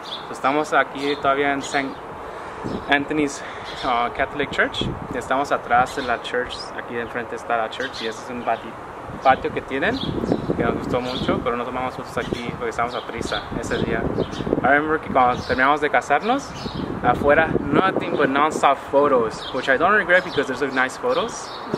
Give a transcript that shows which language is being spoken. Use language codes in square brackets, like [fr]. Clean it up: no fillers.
[es] Estamos aquí todavía en St. Anthony's Catholic Church. Estamos atrás de la church. Aquí de enfrente está la church y este es un patio que tienen, que nos gustó mucho, pero no tomamos fotos aquí porque estábamos a prisa ese día. [en] I remember [es] que cuando terminamos de casarnos, afuera, [en] nothing but non-stop photos, which I don't regret because there's some nice photos.